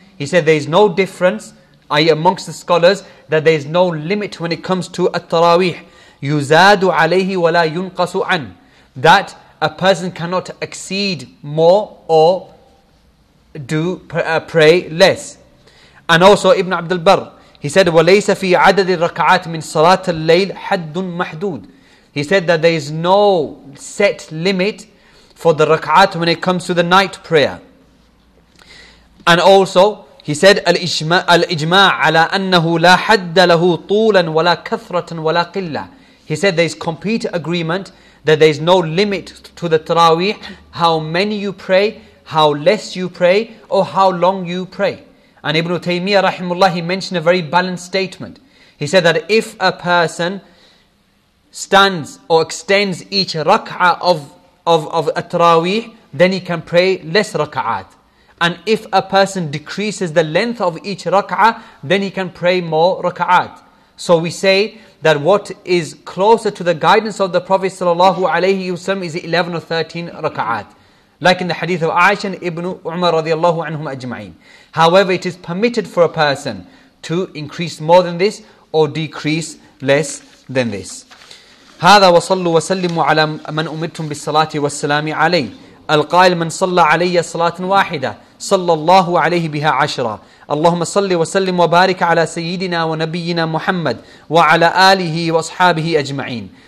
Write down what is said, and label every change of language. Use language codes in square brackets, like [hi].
[en] He said, there is no difference, i.e. amongst the scholars, that there is no limit when it comes to At-Taraweeh. [ar] يُزَادُ عَلَيْهِ وَلَا يُنْقَصُ عَنْ. [en] That a person cannot exceed more or pray less. And also Ibn Abd al-Barr, he said, [ar] وَلَيْسَ فِي عَدَدِ الرَّكَعَاتِ مِنْ صَلَاةَ اللَّيْلِ حَدٌ مَحْدُودٌ. [en] He said that there is no set limit for the rak'at when it comes to the night prayer. And also, he said, [ar] الْإِجْمَاعَ عَلَىٰ أَنَّهُ لَا حَدَّ لَهُ طُولًا وَلَا كَثْرَةً وَلَا قِلَّةً. [en] He said there is complete agreement that there is no limit to the Taraweeh, how many you pray, how less you pray, or how long you pray. And Ibn Taymiyyah rahimullah, he mentioned a very balanced statement. He said that if a person stands or extends each rak'ah of a Taraweeh, then he can pray less rak'ahs. And if a person decreases the length of each rak'ah, then he can pray more rak'ahs. So we say that what is closer to the guidance of the Prophet sallallahu alayhi wasallam is 11 or 13 rak'ahs. Like in the hadith of Aisha and Ibn Umar radiallahu anhum ajma'in. However, it is permitted for a person to increase more than this or decrease less than this. [ar] هذا وصلوا وسلموا على من أمرتم بالصلاة والسلام عليه. القائل من صلى علي صلاة واحدة صلى الله عليه بها عشرة. اللهم صل وسلم وبارك على سيدنا ونبينا محمد وعلى آله وأصحابه أجمعين.